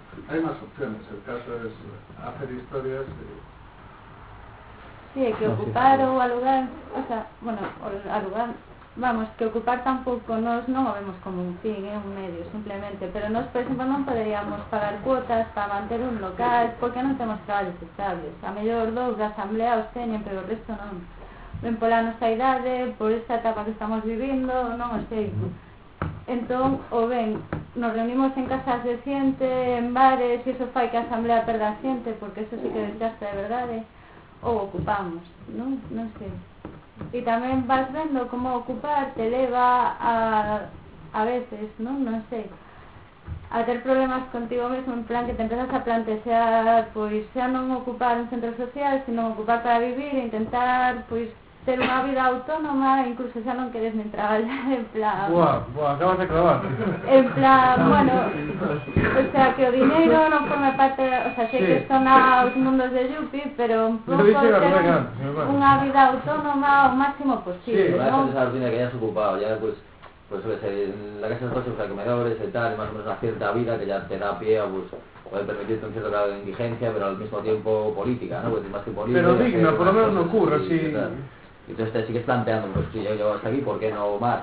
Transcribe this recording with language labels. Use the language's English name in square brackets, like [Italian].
[Spanish] Hay más opciones, el caso es hacer historias y... Sí, que ocupar o alugar, o sea, bueno, alugar, vamos, que ocupar tampoco nos, no lo vemos como un fin, un medio, simplemente, pero nos, por ejemplo, no podríamos pagar cuotas para mantener un local, porque no tenemos trabajos estables. [Galician] A mellor dos de asamblea os teñen, pero o resto non. Ven pola nosa idade, por esta etapa que estamos vivindo, non o sei. Entón, o ben, nos reunimos en casas de xente, en bares, e iso fai que a asamblea perda a xente, porque eso sí que desgasta de verdade, ou ocupamos, non? Non sei. E tamén vas vendo como ocupar te leva a veces, non sei, a ter problemas contigo mesmo, en plan que te empezas a plantear pois xa non ocupar un centro social, sino ocupar para vivir e intentar pois ter unha vida autónoma, incluso xa non queres nem traballar, en plan... [Spanish] Buah, acabas de clavar. [Galician] En plan, bueno, o sea, que o dinero non forma parte, o sea, sei sí. Que son os mundos de Yupi, pero un pouco ter unha vida autónoma o máximo posible, sí. ¿No? [Spanish] Sí, esa rutina que hayas ocupado, ya pues suele ser en la casa de espacios, o sea, comedores y tal, más o menos una cierta vida que ya te da pie a, pues... Puede permitirte un cierto grado de indigencia, pero al mismo tiempo política, ¿no? Pues más que política. Pero digna, por lo menos no ocurre, sí. Y entonces te sigues planteando, pues si yo llego hasta aquí, ¿por qué no más?